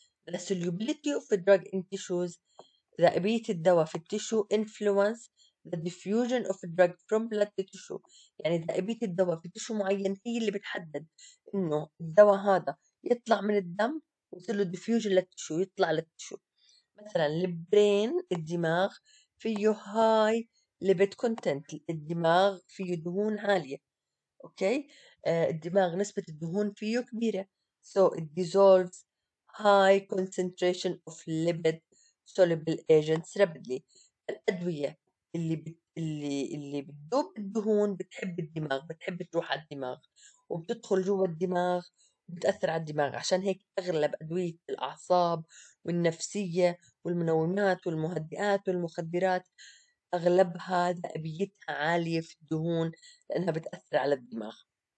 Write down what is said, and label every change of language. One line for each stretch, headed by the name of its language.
English: The solubility of the drug in tissues،
Arabic: ذائبية الدواء في التشو
English: influence the diffusion of the drug from blood to tissue،
Arabic: يعني ذائبية الدواء في تشو معين هي اللي بتحدد إنه الدواء هذا يطلع من الدم وصله diffusion للتشو، يطلع للتشو. مثلا البرين، الدماغ فيه هاي lipid content، الدماغ فيه دهون عالية.
English: okay,
Arabic: الدماغ نسبة الدهون فيه كبيرة،
English: so it dissolves high concentration of lipid soluble agents rapidly.
Arabic: الأدوية اللي بتدوب الدهون بتحب الدماغ، بتحب تروح على الدماغ وبتدخل جوا الدماغ بتأثر على الدماغ، عشان هيك أغلب أدوية الأعصاب والنفسية والمنومات والمهدئات والمخدرات أغلبها ذائبيتها عالية في الدهون لأنها بتأثر على الدماغ.